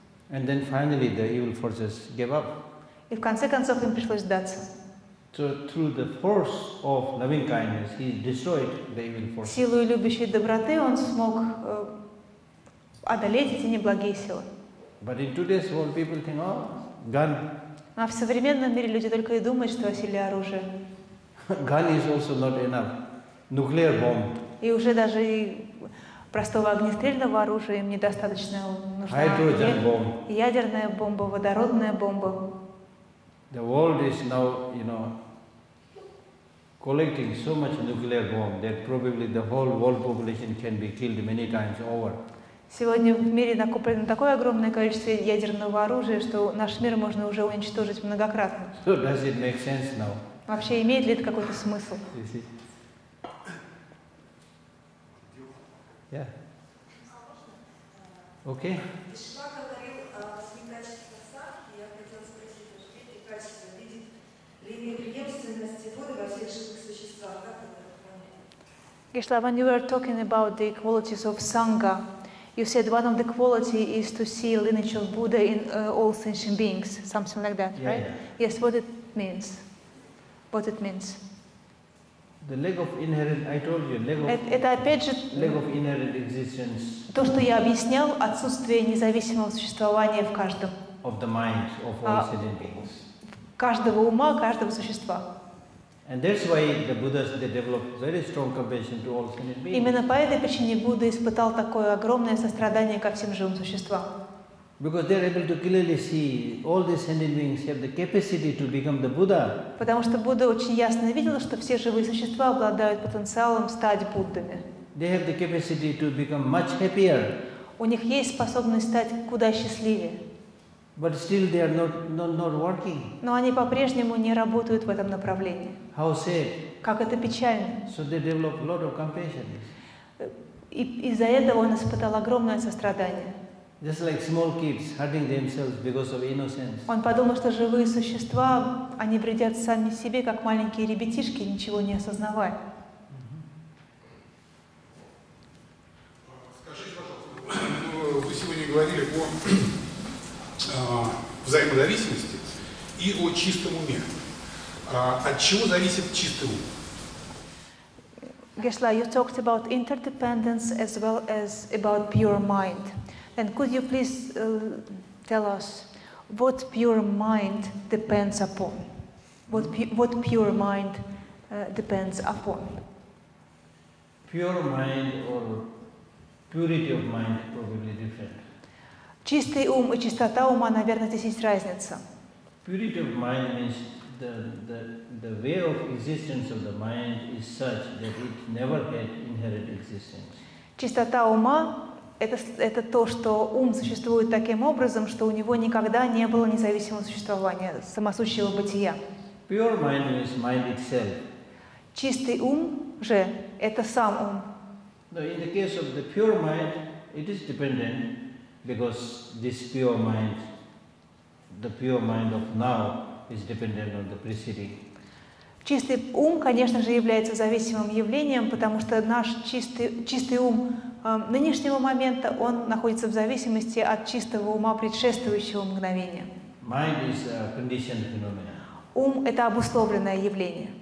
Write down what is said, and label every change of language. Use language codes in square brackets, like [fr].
[en] And then finally the evil forces gave up. [ru] И в конце концов им пришлось сдаться. [en] So through the force of loving kindness, he destroyed the evil forces. [ru] Силой любящей доброты он смог одолеть эти неблагие силы. [en] But in today's world people think, oh, gun. [ru] А в современном мире люди только и думают, что о силе оружия. [en] Gun is also not enough. Nuclear bomb. [ru] И уже даже и простого огнестрельного оружия им недостаточно. Нужна [en] hydrogen bomb. [ru] Ядерная бомба, водородная бомба. [en] The world is now, you know, collecting so much nuclear bomb that probably the whole world population can be killed many times over. [ru] Сегодня в мире накоплено такое огромное количество ядерного оружия, что наш мир можно уже уничтожить многократно. [en] So does it make sense now? [ru] Вообще имеет ли это какой-то смысл? [en] Yeah. Okay. Кришлава, you were talking about the qualities of Sangha. You said one of the qualities is to see lineage of Buddha in all sentient beings, something like that, yeah, right? Yeah. Yes, what it means? What it means? The leg of inherent, I told you, leg of, [ru] это опять же [en] leg of inherent existence. [ru] То, что я объяснял, отсутствие независимого существования в каждом. [en] Of the mind of all sentient beings. [ru] Каждого ума, каждого существа. [en] And that's why the Buddhas, they developed very strong compassion to all sentient beings. [ru] Именно по этой причине Будда испытал такое огромное сострадание ко всем живым существам. [en] Because they are able to clearly see all these sentient beings have the capacity to become the Buddha. [ru] Потому что Будда очень ясно видел, что все живые существа обладают потенциалом стать Буддами. [en] They have the capacity to become much happier. [ru] У них есть способность стать куда счастливее. [en] But still they are not working. [ru] Но они по-прежнему не работают в этом направлении. [en] How sad. [ru] Как это печально. [en] So they develop a lot of compassion. [ru] И из-за этого он испытал огромное сострадание. [en] Just like small kids hurting themselves because of innocence. [ru] Он подумал, что живые существа, они вредят сами себе, как маленькие ребятишки, ничего не осознавая. Скажите, пожалуйста, вы сегодня говорили о взаимозависимости и о чистом уме. От чего зависит чистый ум? [en] Geshe-la, you talked about interdependence as well as about pure mind. And could you please tell us what pure mind depends upon? What pure mind depends upon? Pure mind or purity of mind probably different. [ru] Чистый ум и чистота ума, наверное, здесь есть разница. [en] Purity of mind means the way of existence of the mind is such that it never had inherent existence. [ru] Чистота ума это то, что ум существует таким образом, что у него никогда не было независимого существования, самосущего бытия. [en] Pure mind means mind itself. [ru] Чистый ум же это сам ум. [en] No, in the case of the pure mind, it is dependent. Because this pure mind, the pure mind of now, is dependent on the preceding. [ru] Чистый ум, конечно же, является зависимым явлением, потому что наш чистый ум нынешнего момента, он находится в зависимости от чистого ума предшествующего мгновения. [en] Mind is a conditioned phenomenon. [ru] Ум – это обусловленное явление.